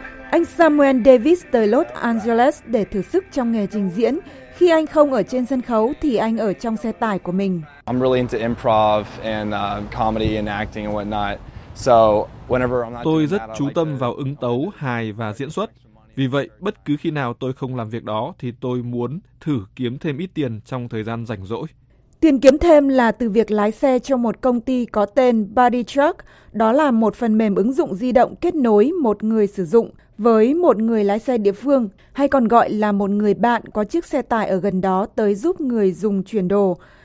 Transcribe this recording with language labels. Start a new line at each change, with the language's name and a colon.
Vietnamese: Anh Samuel Davis tới Los Angeles để thử sức trong nghề trình diễn. Khi anh không ở trên sân khấu thì anh ở trong xe tải của mình.
English: I'm really into improv and comedy and acting and whatnot. So whenever I'm not
Vietnamese: tôi rất chú tâm vào ứng tấu, hài và diễn xuất. Vì vậy, bất cứ khi nào tôi không làm việc đó thì tôi muốn thử kiếm thêm ít tiền trong thời gian rảnh rỗi. Tiền kiếm thêm là từ việc lái xe cho một công ty có tên BodyTruck, đó là một phần mềm ứng dụng di động kết nối một người sử dụng với một người lái xe địa phương, hay còn gọi là một người bạn có chiếc xe tải ở gần đó tới giúp người dùng chuyển đồ.